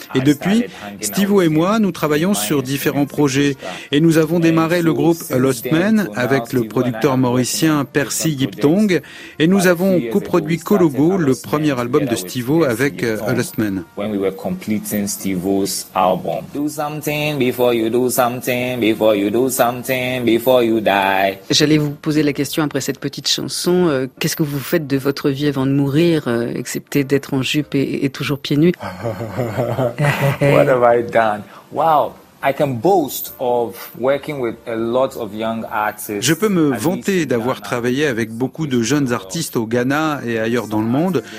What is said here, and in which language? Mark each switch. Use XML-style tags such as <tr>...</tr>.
<fr>Et depuis, Steve-O et moi, nous travaillons sur différents projets et nous avons démarré le groupe Lost Man avec le producteur mauricien Percy Yiptong et nous avons coproduit Kologo, le premier album de Steve-O avec Lost Man.</fr> <en>When we were completing Steve-O's album. Do something before you do something, before you do something, before you die.</en> <fr>J'allais vous poser la question après cette petite chanson. Qu'est-ce que vous faites de votre vie avant de mourir, excepté d'être en jupe et toujours pieds nus?</fr> <en>What have I done? Wow! I can boast of working with a lot of young artists.</en> <fr>Je peux me vanter d'avoir travaillé avec beaucoup de jeunes artistes au Ghana et ailleurs dans le monde.</fr>